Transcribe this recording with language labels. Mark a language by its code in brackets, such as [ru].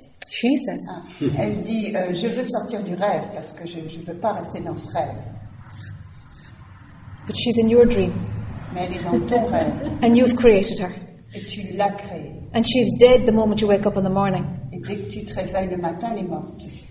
[en] She says. Ah. [fr] Elle dit, je veux sortir du rêve, parce que je ne veux pas rester dans ce rêve. [en] But she's in your dream. [fr] Mais elle est dans ton rêve. [en] And you've created her. [fr] Et tu l'as créée. [en] And she's dead the moment you wake up in the morning. [fr] Et dès que tu te réveilles le matin, elle est morte.